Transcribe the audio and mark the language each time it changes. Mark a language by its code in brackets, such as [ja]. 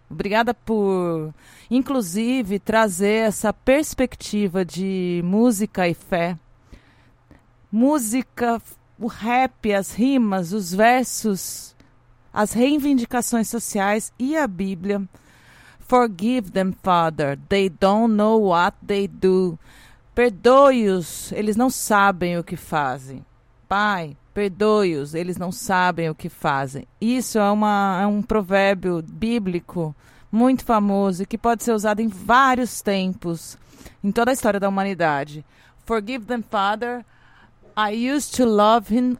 [pt] Obrigada por, inclusive, trazer essa perspectiva de música e fé. Música, o rap, as rimas, os versos, as reivindicações sociais e a Bíblia. [en] Forgive them, Father, they don't know what they do. [pt] Perdoe-os, eles não sabem o que fazem. Pai, perdoe-os, eles não sabem o que fazem. Isso é, é um provérbio bíblico muito famoso e que pode ser usado em vários tempos, em toda a história da humanidade. [en] Forgive them, Father, I used to love him.